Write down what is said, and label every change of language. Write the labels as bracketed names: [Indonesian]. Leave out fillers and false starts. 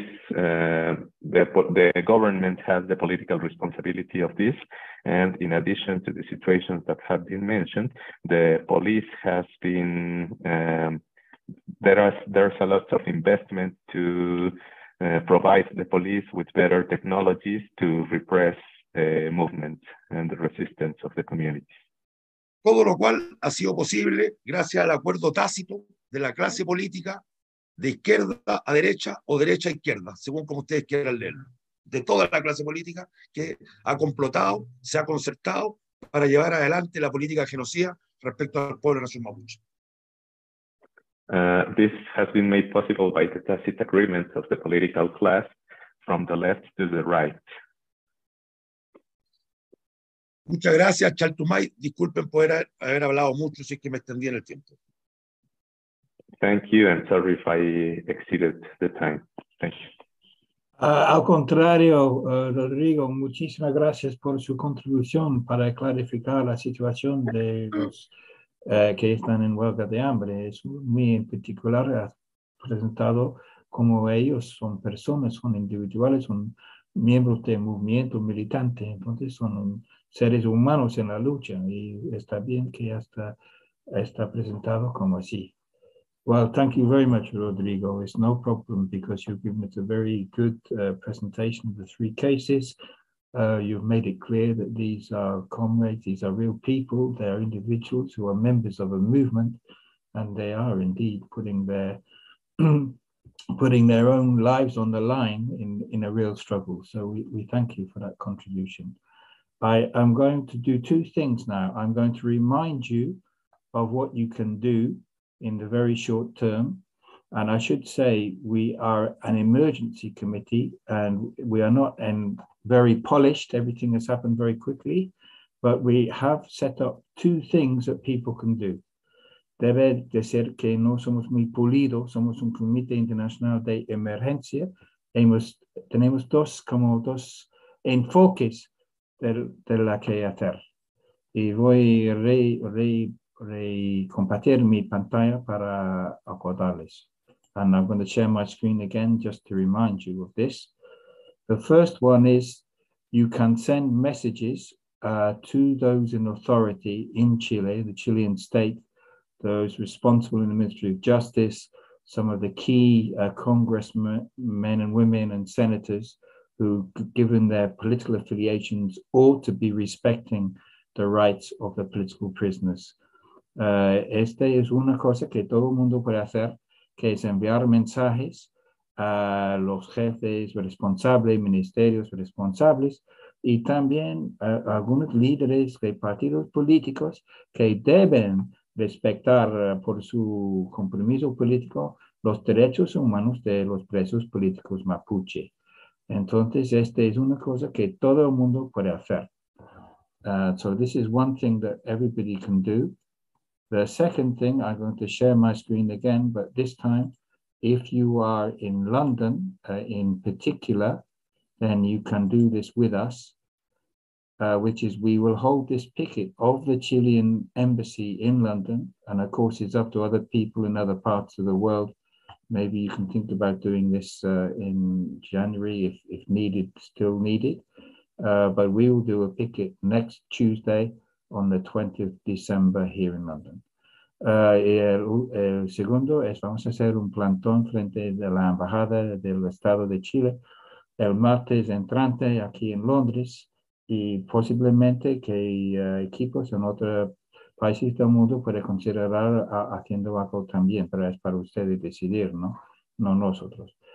[English] The government has the political responsibility of this, and in addition to the situations that have been mentioned, the police has been there's a lot of investment to provide the police with better technologies to repress the movement and the resistance of the community. [Spanish] Todo lo cual ha sido posible gracias al acuerdo tácito de la clase política de izquierda a derecha o derecha a izquierda, según como ustedes quieran leerlo, de toda la clase política que ha complotado, se ha concertado para llevar adelante la política de genocida respecto al pueblo nacional mapuche. [English] This has been made possible by the tacit agreement of the political class from the left to the right. [Spanish] Muchas gracias, Chaltumay. Disculpen poder haber hablado mucho, si es que me extendí en el tiempo. [English] Thank you, and sorry if I exceeded the time. Thank you. [Spanish] Al contrario, Rodrigo, muchísimas gracias por su contribución para clarificar la situación de los que están en huelga de hambre. Es muy en particular presentado cómo ellos son personas, son individuales, son miembros de movimiento militante. Entonces son seres humanos en la lucha, y está bien que ya está presentado como así. [English] Well, thank you very much, Rodrigo. It's no problem because you've given us a very good presentation of the three cases. You've made it clear that these are comrades, these are real people, they are individuals who are members of a movement, and they are indeed putting their own lives on the line in a real struggle. So we thank you for that contribution. I am going to do two things now. I'm going to remind you of what you can do in the very short term. And I should say we are an emergency committee and we are not very polished. Everything has happened very quickly. but we have set up two things that people can do. [Spanish] Debe decir que no somos muy pulidos, somos un comité internacional de emergencia. Tenemos dos, como dos enfoques de la que hacer. Y voy a compartir mi pantalla para acordarles. [English] And I'm going to share my screen again just to remind you of this. The first one is you can send messages to those in authority in Chile, the Chilean state, those responsible in the Ministry of Justice, some of the key congressmen and women and senators who, given their political affiliations, ought to be respecting the rights of the political prisoners. [Spanish] Esta es una cosa que todo el mundo puede hacer, que es enviar mensajes a los jefes responsables, ministerios responsables, y también a algunos líderes de partidos políticos que deben respetar por su compromiso político los derechos humanos de los presos políticos mapuche. Entonces, esta es una cosa que todo el mundo puede hacer. [English] So this is one thing that everybody can do. The second thing, I'm going to share my screen again, but this time, if you are in London in particular, then you can do this with us, which is we will hold this picket of the Chilean embassy in London. And of course, it's up to other people in other parts of the world. Maybe you can think about doing this in January if needed, still needed. But we will do a picket next Tuesday on the 20th December here in London. [Spanish] El segundo es vamos a hacer un plantón frente de la embajada del estado de Chile el martes entrante aquí en Londres y posiblemente que equipos en otros países del mundo puedan considerar haciendo algo también, pero es para ustedes decidir, ¿no? No nosotros.